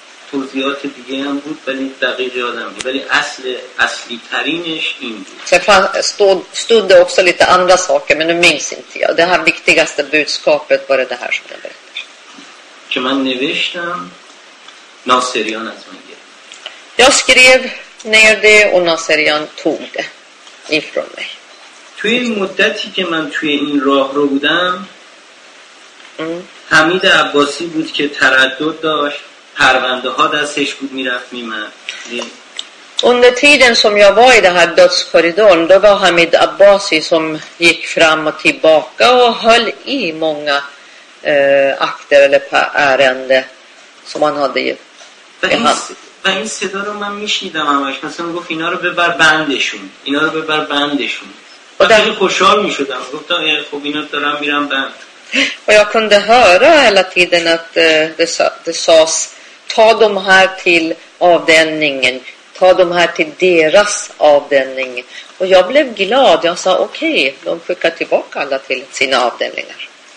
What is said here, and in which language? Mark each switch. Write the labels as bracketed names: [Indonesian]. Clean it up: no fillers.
[Persian] توضیحات دیگه هم بود ولی دقیق یادم بود، ولی اصلی ترینش این بود. [Swedish] Stod det också lite andra saker men nu minns inte jag. Det här viktigaste budskapet var det här som jag berättar. [Persian] که من نوشتم ناصریان از من گرفت. [Swedish] Jag skrev ner det och Naserian tog det ifrån mig. [Persian] توی مدتی که من توی این راه رو بودم حمید عباسی بود که تردد داشت، پرونده ها دستش بود میرفت میمد. [Swedish] Under tiden som jag var i det här dödskorridoren då var Hamid Abbasi som gick fram och tillbaka och höll i många akter eller ärende som han hade ju. Men [Persian] صدا رو من میشنیدم همش، مثلا میگفت اینا رو ببر بندشون، اینا رو ببر بندشون. و در خوشحال میشدم، گفتم خب اینا دارم میرم بند. [Swedish] Och jag kunde höra hela tiden att det sades ta de här till avdelningen, ta de här till deras avdelning. Och jag blev glad, jag sa okej, de skickar tillbaka alla till sina avdelningar.